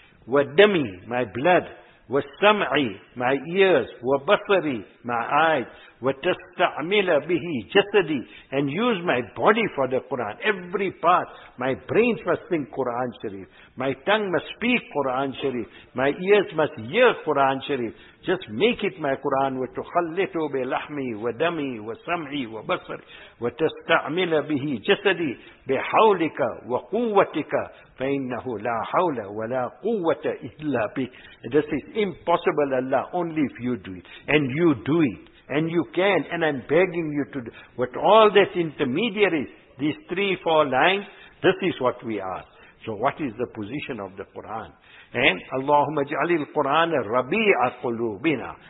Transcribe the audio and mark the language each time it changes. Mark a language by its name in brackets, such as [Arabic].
[Arabic] وَدَّمِي, [English] my blood, [Arabic] وَالسَّمْعِي, [English] my ears, [Arabic] وَبَصَرِي, [English] my eyes, [Arabic] وَتَسْتَعْمِلَ بِهِ جَسَدِي, [English] and use my body for the Qur'an. Every part, my brains must think Qur'an Sharif, my tongue must speak Qur'an Sharif, my ears must hear Qur'an Sharif. Just make it my Qur'an, [Arabic] وَتُخَلِّتُ بِلَحْمِي, وَدَّمِي, وَسَمْعِي, وَبَصَرِي, وَتَسْتَعْمِلَ بِهِ جَسَدِي, بِحَوْلِكَ وَقُوَّتِكَ, فَإِنَّهُ لَا حَوْلَ وَلَا قُوَّةَ إِلَّا بِهِ. [English] This is impossible, Allah, only if you do it. And you do it. And you can. And I'm begging you to do. With all this intermediaries, these 3-4 lines, this is what we ask. So what is the position of the Qur'an? And [Arabic] Allahumma ja'ali al-Qur'an rabi'a qulubina.